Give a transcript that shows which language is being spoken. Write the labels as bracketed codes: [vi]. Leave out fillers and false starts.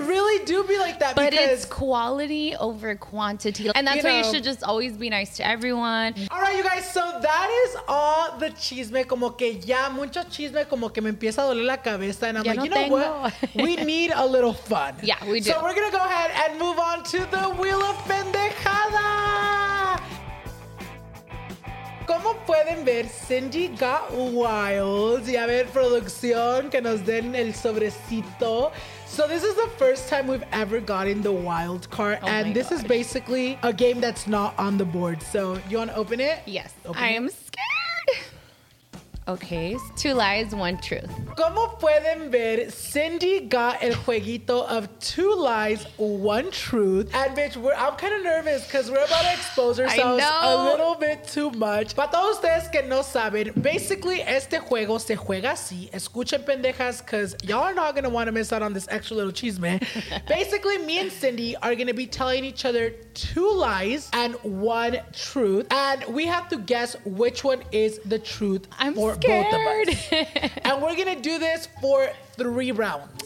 [en] It really do be like that. But because, it's quality over quantity. And that's why you should just always be nice to everyone. All right, you guys. So that is all the chisme. [es] Como que ya mucho chisme. Como que me empieza a doler la cabeza. [en] And I'm like, you know what? We need a little fun. Yeah, we do. So we're going to go ahead and move on to the Wheel of Pendejada. [es] Como pueden ver, [en] Cindy got wild. [es] Y a ver, producción, que nos den el sobrecito. [en] So this is the first time we've ever gotten the wild card. Is basically a game that's not on the board. So you want to open it? Yes. I am scared. Okay, two lies, one truth. [es] Como pueden ver, [en] Cindy got [es] el jueguito [en] of two lies, one truth. And bitch, I'm kind of nervous because we're about to expose ourselves a little bit too much. [es] Para todos ustedes que no saben, [en] basically, [es] este juego se juega así. Escuchen, pendejas, [en] because y'all are not going to want to miss out on this extra little chisme. Basically, me and Cindy are going to be telling each other two lies and one truth. And we have to guess which one is the truth. Both of us. And we're gonna do this for 3 rounds.